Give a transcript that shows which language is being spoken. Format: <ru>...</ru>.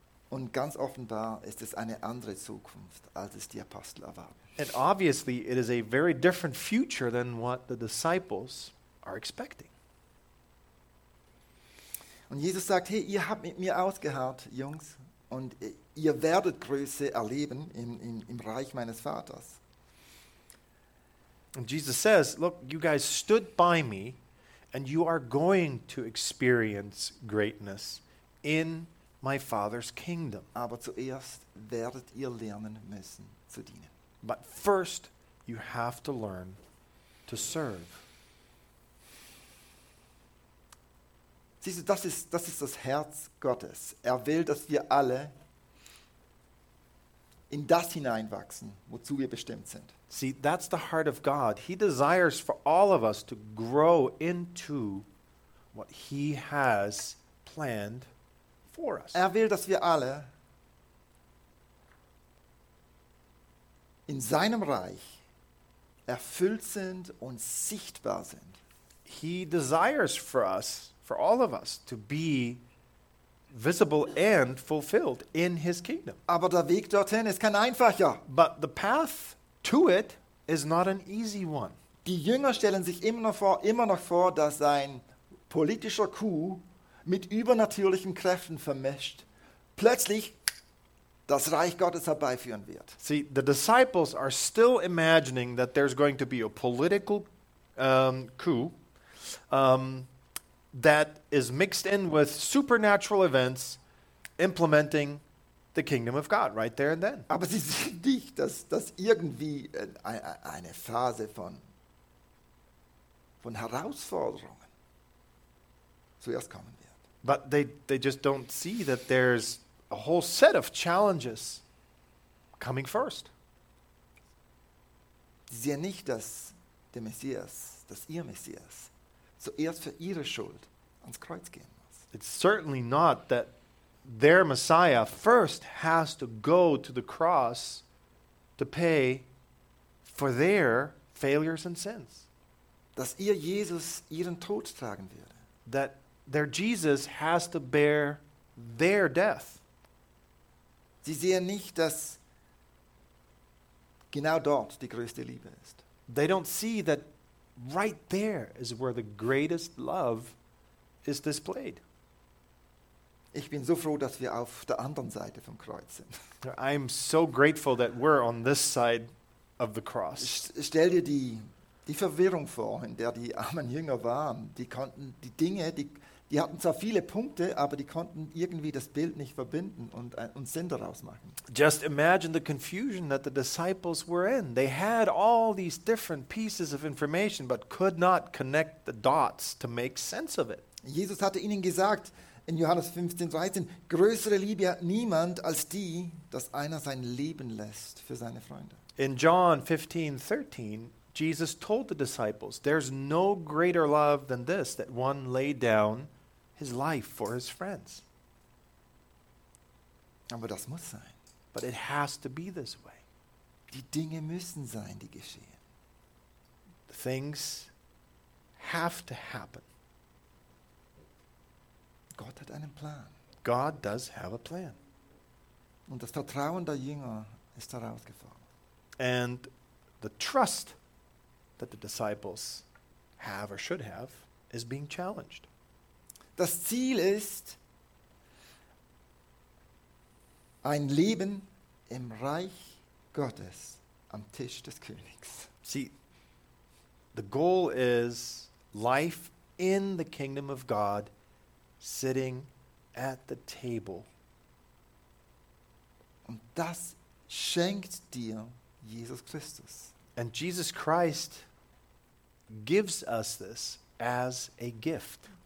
<de>Und ganz offenbar ist es eine andere Zukunft, als es die Apostel erwarten.</de> <en>And obviously it is a very different future than what the disciples are expecting.</en> <de>Und Jesus sagt, hey, ihr habt mit mir ausgeharrt, Jungs, Und ihr werdet Größe erleben im Reich meines Vaters.</de> <en>And Jesus says, look, you guys stood by me and you are going to experience greatness in my Father's kingdom.</en> <de>Aber zuerst werdet ihr lernen müssen zu dienen.</de> <en>But first you have to learn to serve.</en> <de>Siehst du, das ist das Herz Gottes. Er will, dass wir alle in das hineinwachsen, wozu wir bestimmt sind.</de> <en>See, that's the heart of God. He desires for all of us to grow into what he has planned for us.</en> <de>Er will, dass wir alle in seinem Reich erfüllt sind und sichtbar sind.</de> <en>He desires for all of us to be visible and fulfilled in his kingdom.</en> <de>Aber der Weg dorthin ist kein einfacher.</de> <en>But the path to it is not an easy one.</en> <de>Die Jünger stellen sich immer noch vor, dass ein politischer Coup mit übernatürlichen Kräften vermischt plötzlich das Reich Gottes herbeiführen wird.</de> <en>See, the disciples are still imagining that there's going to be a political coup that is mixed in with supernatural events implementing the kingdom of God right there and then.</en> <de>Aber sie sehen nicht, dass irgendwie eine Phase von Herausforderungen zuerst kommen wird.</de> <en>But they just don't see that there's a whole set of challenges coming first.</en> <de>Sie sehen nicht, dass ihr Messias zuerst für ihre Schuld ans Kreuz gehen muss.</de> <en>It's certainly not that their Messiah first has to go to the cross to pay for their failures and sins.</en> <de>Dass ihr Jesus ihren Tod tragen werde.</de> <en>That their Jesus has to bear their death.</en> <de>Sie sehen nicht, dass genau dort die größte Liebe ist.</de> <en>They don't see that right there is where the greatest love is displayed.</en> <de>Ich bin so froh, dass wir auf der anderen Seite vom Kreuz sind.</de> <en>I'm so grateful that we're on this side of the cross.</en> <de>Stell dir die Verwirrung vor, in der die armen Jünger waren. Die konnten die Dinge, die hatten zwar viele Punkte, aber die konnten irgendwie das Bild nicht verbinden und Sinn daraus machen.</de> <en>Just imagine the confusion that the disciples were in. They had all these different pieces of information, but could not connect the dots to make sense of it.</en> <de>Jesus hatte ihnen gesagt in Johannes 15:13, größere Liebe hat niemand als die, dass einer sein Leben lässt für seine Freunde.</de> <en>In John 15:13, Jesus told the disciples, there's no greater love than this, that one lay down his life for his friends.</en> <de>Aber das muss sein.</de> <en>But it has to be this way.</en> <de>Die Dinge müssen sein, die geschehen.</de> <en>Things have to happen.</en> <de>Gott hat einen Plan.</de> <en>God does have a plan.</en> <de>Und das Vertrauen der Jünger ist daraus gefallen.</de> <en>And the trust that the disciples have or should have is being challenged.</en> <de>Das Ziel ist ein Leben im Reich Gottes am Tisch des Königs.</de> <en>See, the goal is life in the kingdom of God, sitting at the table.</en> <de>Und das schenkt dir Jesus Christus.</de> <en>And Jesus Christ gives us this as a gift.</en>